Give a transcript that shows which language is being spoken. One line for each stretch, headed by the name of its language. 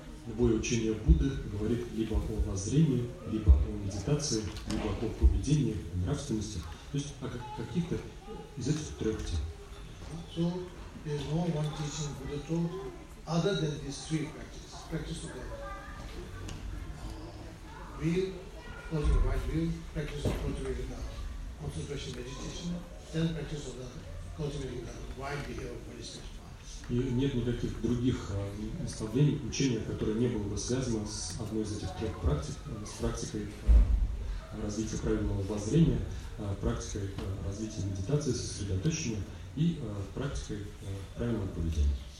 Russian: Любое учение Будды говорит либо о воззрении, либо о медитации, либо о поведении, о нравственности. То есть о каких-то из этих трех тем.
English: So there's no one teaching Buddha taught other than these three practices. Practice of the view, closing the right view, practice of cultivating the concentration meditation, then practice of the cultivating the right behavior of Buddhist
Russian: И нет никаких других наставлений, учения, которое не было бы связано с одной из этих трех практик, с практикой развития правильного воззрения, практикой развития медитации, сосредоточения и практикой правильного поведения.